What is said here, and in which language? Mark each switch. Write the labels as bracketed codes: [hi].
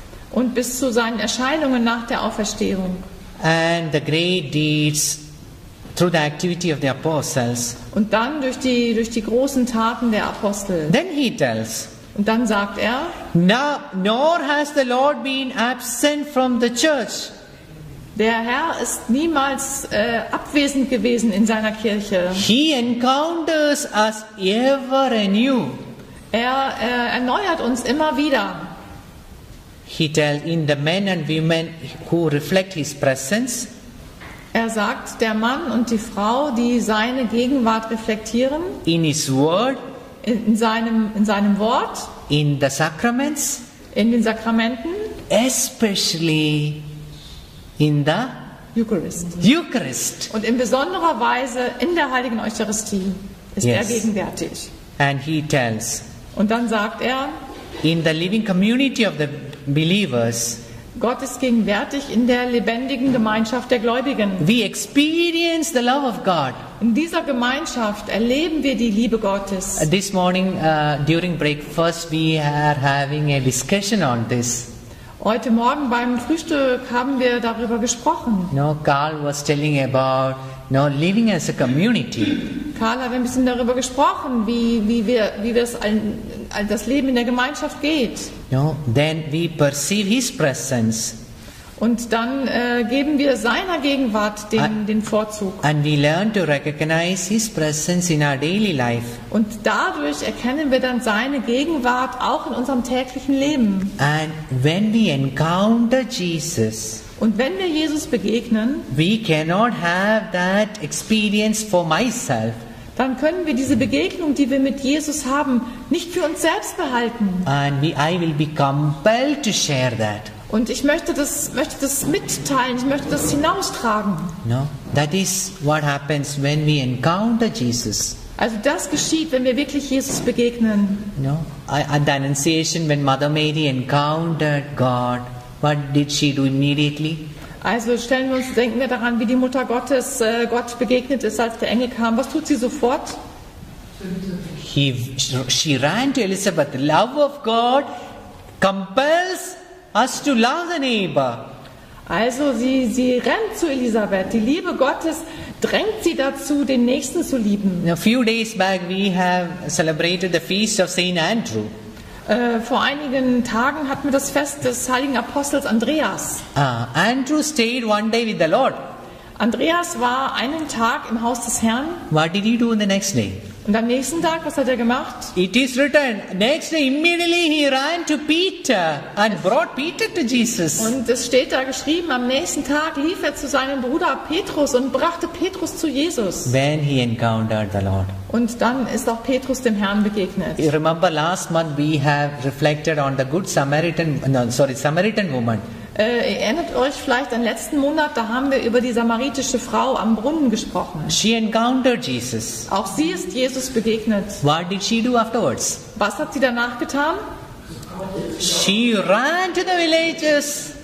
[de] Und bis zu seinen Erscheinungen nach der Auferstehung. [en] And the great deeds through the activity of the apostles. [de] Und dann durch die großen Taten der Apostel. [en] Then he tells. [de] Und dann sagt er, [en] now, nor has the Lord been absent from the church. [de] Der Herr ist niemals abwesend gewesen in seiner Kirche. [en] He encounters us ever anew. [de] Er erneuert uns immer wieder. [en] He tells in the men and women who reflect his presence. [de] Er sagt, der Mann und die Frau, die seine Gegenwart reflektieren. [en] In his word. [de] In seinem Wort. [en] In the sacraments. [de] In den Sakramenten. [en] Especially in the Eucharist. [de] Und in besonderer Weise in der Heiligen Eucharistie ist [en] yes. [de] er gegenwärtig. [en] And he tells. [de] Und dann sagt er. [en] In the living community of the believers. [de] Gott ist gegenwärtig in der lebendigen Gemeinschaft der Gläubigen. [en] We experience the love of God. [de] In dieser Gemeinschaft erleben wir die Liebe Gottes. [en] This morning, during breakfast, we are having a discussion on this. [de] Heute Morgen beim Frühstück haben wir darüber gesprochen. [en] No, Carl was telling about no living as a community. [de] Carl hat ein bisschen darüber gesprochen, wie das Leben in der Gemeinschaft geht. [en] No, then we perceive his presence. [de] Und dann geben wir seiner Gegenwart den Vorzug. [en] And we learn to recognize his presence in our daily life. [de] Und dadurch erkennen wir dann seine Gegenwart auch in unserem täglichen Leben. [en] And when we encounter Jesus, [de] und wenn wir Jesus begegnen, [en] we cannot have that experience for myself. [de] Dann können wir diese Begegnung, die wir mit Jesus haben, nicht für uns selbst behalten. [en] And I will be compelled to share that. [de] Und ich möchte das mitteilen, ich möchte das hinaustragen. [en] No, that is what happens when we encounter Jesus. [de] Also das geschieht, wenn wir wirklich Jesus begegnen. [en] No, at the Annunciation, when Mother Mary encountered God, what did she do immediately? [de] Also denken wir daran, wie die Mutter Gottes Gott begegnet ist, als der Engel kam. Was tut sie sofort? [en] She ran to Elizabeth. The love of God compels us to love a neighbor. [de] Also sie rennt zu Elisabeth. Die Liebe Gottes drängt sie dazu, den Nächsten zu lieben. [en] A few days back we have celebrated the feast of Saint Andrew. [de] Vor einigen Tagen hatten wir das Fest des heiligen Apostels Andreas. [en] Andrew stayed one day with the Lord. [de] Andreas war einen Tag im Haus des Herrn. [en] What did he do on the next day? [de] Und am nächsten Tag, was hat er gemacht? [en] It is written, next day immediately he ran to Peter and brought Peter to Jesus. [de] Und es steht da geschrieben, am nächsten Tag lief er zu seinem Bruder Petrus und brachte Petrus zu Jesus. [en] When he encountered the Lord. [de] Und dann ist auch Petrus dem Herrn begegnet. [en] You remember last month we have reflected on the good Samaritan, Samaritan woman. [de] Erinnert euch vielleicht an letzten Monat, da haben wir über die samaritische Frau am Brunnen gesprochen. [en] She encountered Jesus. [de] Auch sie ist Jesus begegnet. [en] What did she do afterwards? [de] Was hat sie danach getan? [en] She ran to the villages.